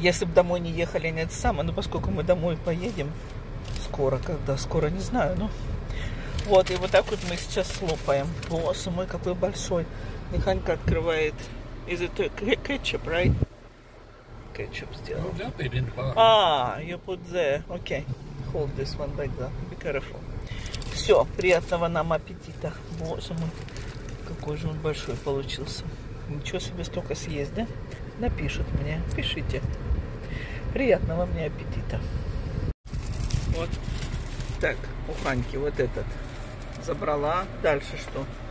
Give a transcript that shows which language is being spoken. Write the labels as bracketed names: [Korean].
[Russian] Если бы домой не ехали, не это самое. Но поскольку мы домой поедем... Скоро, когда? Скоро, не знаю, но... Вот, и вот так вот мы сейчас слопаем. Боже мой, какой большой. И Ханька открывает. [English] Is it ketchup, right? [Russian] Ketchup сделал. [English] Well, don't put it in the bottle. You put the... Okay. Hold this one back there. Be careful. [Russian] Все, приятного нам аппетита. Боже мой, какой же он большой получился. Ничего себе, столько съесть, да? Напишут мне. Пишите. Приятного мне аппетита. Вот. Так, у Ханьки вот этот. Забрала. Дальше что?